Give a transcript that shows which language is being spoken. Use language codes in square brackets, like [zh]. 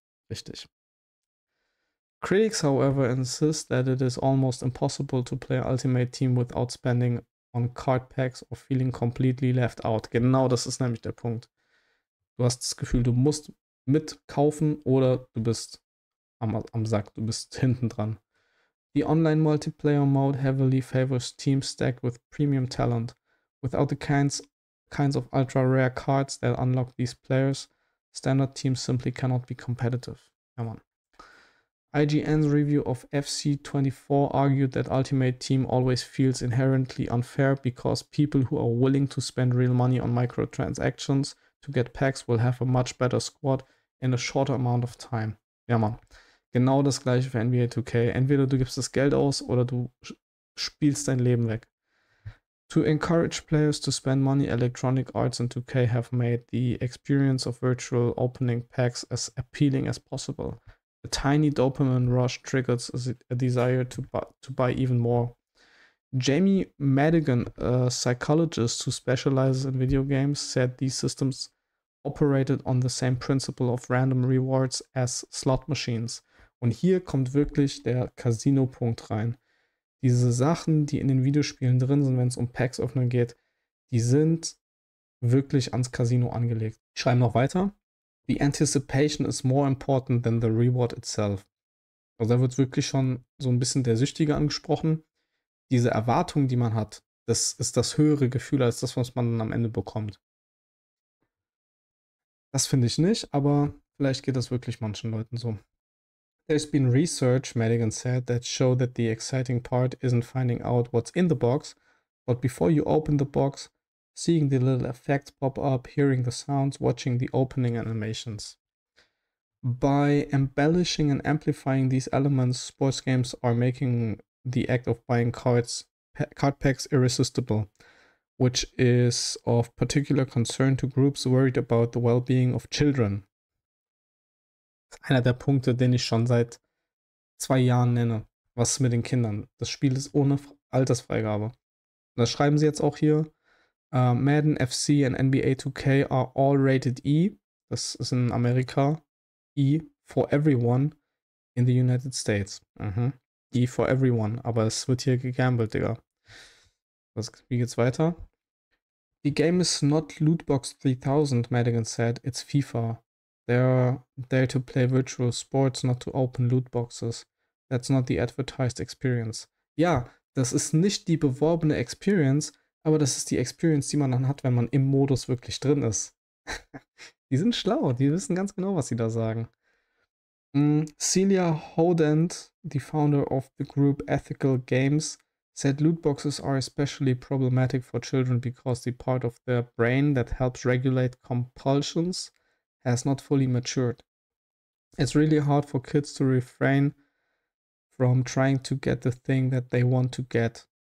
[de] Richtig. [en] Critics, however, insist that it is almost impossible to play Ultimate Team without spending on card packs or feeling completely left out. [de] Genau das ist nämlich der Punkt. Du hast das Gefühl, du musst mitkaufen oder du bist am Sack, du bist hinten dran. [en] The online multiplayer mode heavily favors teams stacked with premium talent. Without the kinds of ultra rare cards that unlock these players, standard teams simply cannot be competitive. Come on. IGN's review of FC24 argued that Ultimate Team always feels inherently unfair because people who are willing to spend real money on microtransactions to get packs will have a much better squad in a shorter amount of time. [de] Ja man, genau das gleiche für NBA 2K. Entweder du gibst das Geld aus oder du spielst dein Leben weg. [en] To encourage players to spend money, Electronic Arts and 2K have made the experience of virtual opening packs as appealing as possible. A tiny dopamine rush triggers a desire to buy even more. Jamie Madigan, a psychologist who specializes in video games, said these systems operated on the same principle of random rewards as slot machines. [de] Und hier kommt wirklich der Casino-Punkt rein. Diese Sachen, die in den Videospielen drin sind, wenn es um Packs öffnen geht, die sind wirklich ans Casino angelegt. Ich schreibe noch weiter. [en] The anticipation is more important than the reward itself. [de] Also da wird wirklich schon so ein bisschen der Süchtige angesprochen. Diese Erwartung, die man hat, das ist das höhere Gefühl als das, was man dann am Ende bekommt. Das finde ich nicht, aber vielleicht geht das wirklich manchen Leuten so. [en] There's been research, Madigan said, that show that the exciting part isn't finding out what's in the box, but before you open the box, seeing the little effects pop up, hearing the sounds, watching the opening animations. By embellishing and amplifying these elements, sports games are making the act of buying cards, card packs irresistible, which is of particular concern to groups worried about the well-being of children. [de] Einer der Punkte, den ich schon seit 2 Jahren nenne, was mit den Kindern. Das Spiel ist ohne Altersfreigabe. Und das schreiben sie jetzt auch hier. [en] Madden FC and NBA 2K are all rated E, [de] das ist in Amerika, [en] E for everyone in the United States. Mhm. E for everyone, [de] aber es wird hier gegambelt, Digga. Was, wie geht's weiter? [en] The game is not Lootbox 3000, Madigan said, it's FIFA. They're there to play virtual sports, not to open lootboxes. That's not the advertised experience. [de] Ja, das ist nicht die beworbene Experience, aber das ist die Experience, die man dann hat, wenn man im Modus wirklich drin ist. Die sind schlau, die wissen ganz genau, was sie da sagen. [en] Celia Hodent, the founder of the group Ethical Games, said lootboxes are especially problematic for children because the part of their brain that helps regulate compulsions has not fully matured. It's really hard for kids to refrain from trying to get the thing that they want to get.